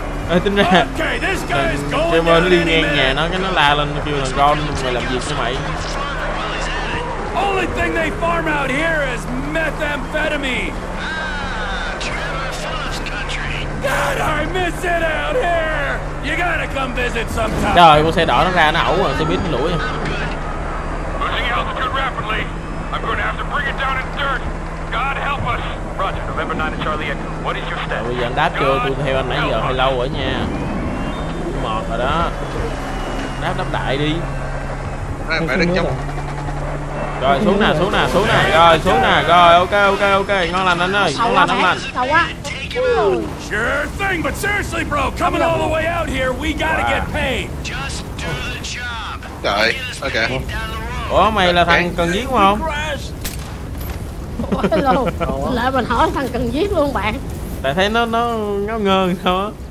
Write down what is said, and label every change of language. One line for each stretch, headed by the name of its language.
Vietnamese: Ê, tính ra Trevor nó đi ngang nhà nó, cái nó la lên kêu là Ron mày làm gì cho mày.
English: Only thing they farm out here is methamphetamine. God, I miss it out here. You gotta come visit sometime.
Vietnamese: Trời, con xe đỏ nó ra nó ẩu rồi, xe buýt nó lủi.
English: Losing altitude rapidly. I'm going to have to bring it down in dirt. God help us. Roger, November 9 to Charlie Echo. What is your status?
Vietnamese: Bây giờ anh đáp chưa? Tôi theo anh nãy giờ hơi lâu rồi nha. Mệt rồi đó. Đáp đáp đại đi. Đây, phải đứng chung. Rồi xuống nè, xuống nè, xuống nè. Rồi xuống nè, rồi ok. Ngon lành anh ơi, ngon lành anh lành. Sao quá.
English: Sure thing, but seriously bro, coming all the way out here, we gotta get paid. Trời, ok.
Vietnamese: Ủa mày là thằng cần giết đúng không? Ủa hello, lại mình hỏi thằng cần giết luôn bạn. Tại thấy nó ngáo ngơ sao á.